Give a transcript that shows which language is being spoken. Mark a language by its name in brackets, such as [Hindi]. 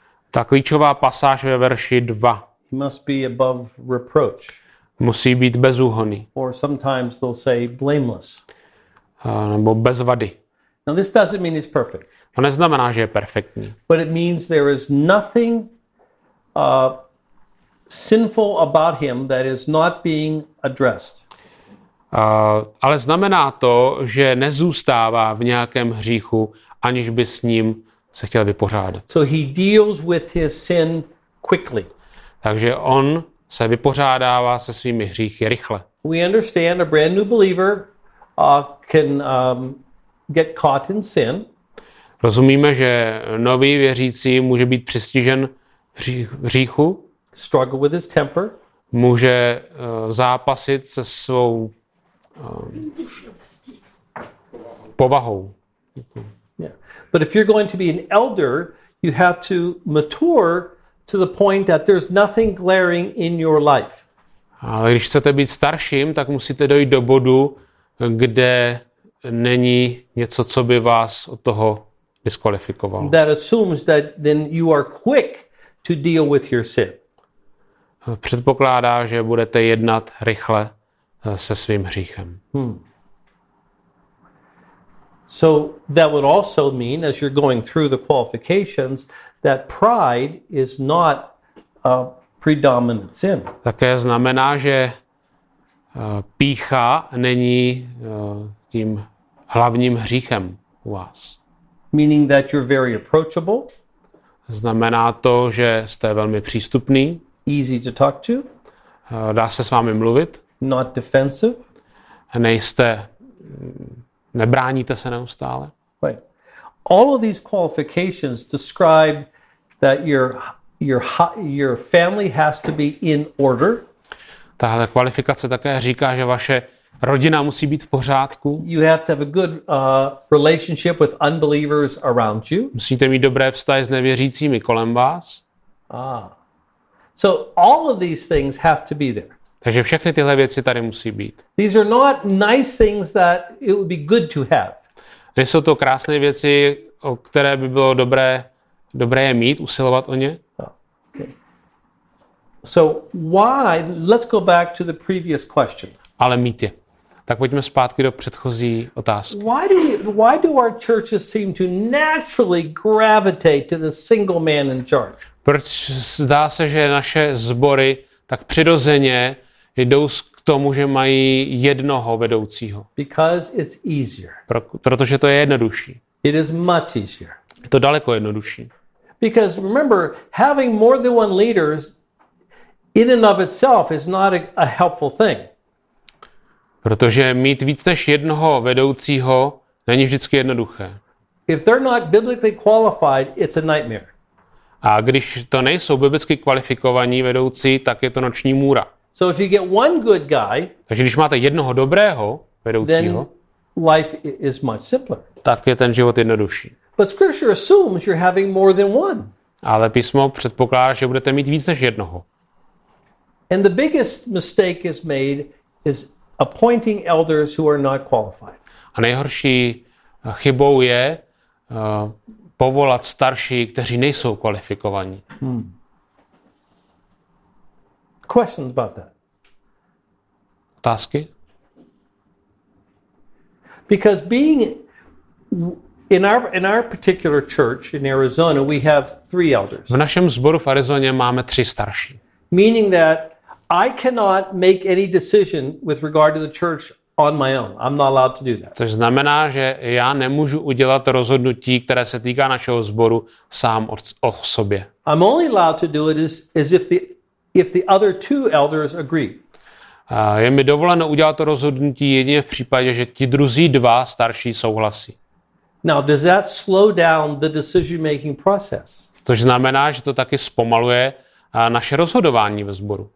[Czech] Ta klíčová pasáž ve verši 2. [English] He must be above reproach. [Czech] Musí být bezúhonný. [English] Or sometimes they'll say blameless. [Czech] Nebo bez vady. [English] Now this doesn't mean he's perfect. [Czech] To neznamená, že je perfektní. [English] But it means there is nothing sinful about him that is not being addressed. [Czech] Ale znamená to, že nezůstává v nějakém hříchu, aniž by s ním se chtěl vypořádat. [English] So he deals with his sin quickly. [Czech] Takže on se vypořádává se svými hříchy rychle. [English] We understand a brand new believer can get caught in sin. [Czech] Rozumíme, že nový věřící může být přistižen v hříchu. [English] Struggle with his temper. [Czech] Může zápasit se svou povahou. [English] Yeah. But if you're going to be an elder, you have to mature to the point that there's nothing glaring in your life. [Czech] Ale když chcete být starším, tak musíte dojít do bodu, kde není něco, co by vás od toho diskvalifikovalo. [English] That assumes that then you are quick to deal with your sin. [Czech] Předpokládá, že budete jednat rychle se svým hříchem. Hmm. [English] So that would also mean, as you're going through the qualifications, that pride is not a predominant sin. [Czech] Také znamená, že pýcha není tím hlavním hříchem u vás. [English] Meaning that you're very approachable. [Czech] Znamená to, že jste velmi přístupný. [English] Easy to talk to. [Czech] Dá se s vámi mluvit. [English] Not defensive. [Czech] Nejste, nebráníte se neustále. [English] Right. All of these qualifications describe that your family has to be in order. [Czech] Tahle kvalifikace také říká, že vaše rodina musí být v pořádku. [English] You have to have a good relationship with unbelievers around you. [Czech] Musíte mít dobré vztahy s nevěřícími kolem vás. Ah. [English] So all of these things have to be there. [Czech] Takže všechny tyhle věci tady musí být. [English] These are not nice things that it would be good to have. [Czech] Nejsou to krásné věci, o které by bylo dobré je mít, usilovat o ně. [English] So why? Let's go back to the previous question. [Czech] Ale mítě. Tak pojďme zpátky do předchozí otázky. [English] Why do our churches seem to naturally gravitate to the single man in charge? [Czech] Proč zdá se, že naše sbory tak přirozeně jdou k tomu, že mají jednoho vedoucího? [English] Because it's easier. [Czech] Protože to je jednodušší. [English] It is much easier. [Czech] Je to daleko jednodušší. [English] Because remember, having more than one leader in and of itself is not a helpful thing. [Czech] Protože mít víc než jednoho vedoucího není vždycky jednoduché. [English] If they're not biblically qualified, it's a nightmare. [Czech] A když to nejsou biblicky kvalifikovaní vedoucí, tak je to noční můra. [English] So if you get one good guy, [Czech] takže když máte jednoho dobrého vedoucího, [English] then life is much simpler. [Czech] Tak je ten život jednodušší. [English] But scripture assumes you're having more than one. [Czech] Ale písmo předpokládá, že budete mít víc než jednoho. [English] And the biggest mistake is made is appointing elders who are not qualified. [Czech] A nejhorší chybou je povolat starší, kteří nejsou kvalifikovaní. Hmm. [English] Questions about that? [Czech] Otázky? [English] Because being in our particular church in Arizona, we have three elders. [Czech] V našem sboru v Arizoně máme tři starší. [English] Meaning that I cannot make any decision with regard to the church on my own. I'm not allowed to do that. [Czech] Což znamená, že já nemůžu udělat rozhodnutí, které se týká našeho sboru, sám o sobě. [English] I'm only allowed to do it if the other two elders agree. [Czech] Je mi dovoleno udělat to rozhodnutí jedině v případě, že ti druzí dva starší souhlasí. [English] Now, does that slow down the decision-making process? [Czech] Což znamená, že to taky zpomaluje naše rozhodování ve sboru.